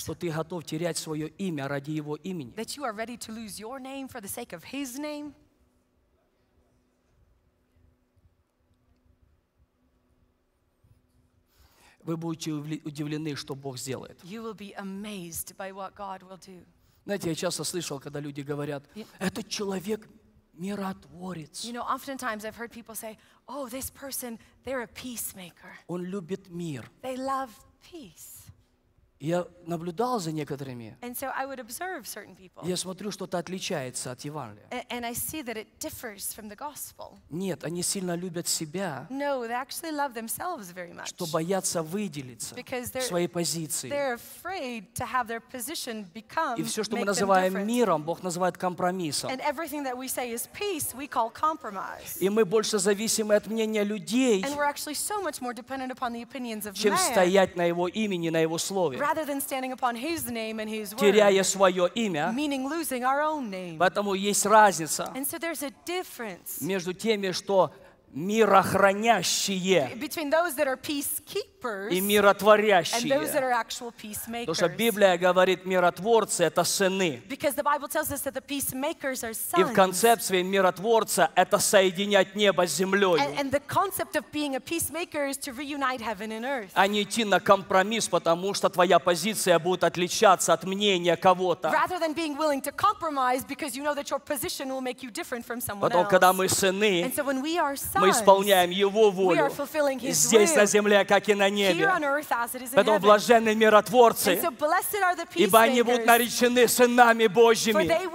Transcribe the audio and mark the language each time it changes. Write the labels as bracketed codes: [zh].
[ru] что ты готов терять свое имя ради Его имени, [en] that you are ready to lose your name for the sake of His name, [ru] вы будете удивлены, что Бог сделает. [en] You will be amazed by what God will do. [ru] Знаете, я часто слышал, когда люди говорят, этот человек миротворец. [en] You know, oftentimes I've heard people say, oh, this person, they're a peacemaker. [ru] Он любит мир. [en] They love peace. [ru] Я наблюдал за некоторыми. [en] And so I would observe certain people. [ru] Я смотрю, что-то отличается от Евангелия. [en] And I see that it differs from the gospel. [ru] Нет, они сильно любят себя. [en] No, they actually love themselves very much. [ru] Что боятся выделиться [en] because [ru] в своей позиции. [en] They're afraid to have their position become. [ru] И все, что мы называем миром, Бог называет компромиссом. [en] And everything that we say is peace, we call compromise. [ru] И мы больше зависимы от мнения людей. [en] And we're actually so much more dependent upon the opinions of men. [ru] Чем стоять на его имени, на его слове. [en] Rather than standing upon His name and His word, [ru] теряя свое имя, [en] meaning losing our own name. [ru] Поэтому есть разница, [en] and so there's a difference [ru] между теми, что мирохранящие, [en] between those that are peacekeepers [ru] и миротворящие, [en] and those that are actual peacemakers. [ru] Потому что Библия говорит, миротворцы — это сыны. [en] Because the Bible tells us that the peacemakers are sons. [ru] И в концепции миротворца — это соединять небо с землей. [en] And the concept of being a peacemaker is to reunite heaven and earth. [ru] А не идти на компромисс, потому что твоя позиция будет отличаться от мнения кого-то. [en] Rather than being willing to compromise because you know that your position will make you different from someone [ru] потом, [en] else. [ru] Когда мы сыны, [en] and so when we are [ru] мы исполняем Его волю здесь, на земле, как и на небе. Поэтому блаженны миротворцы, ибо они будут наречены сынами Божьими.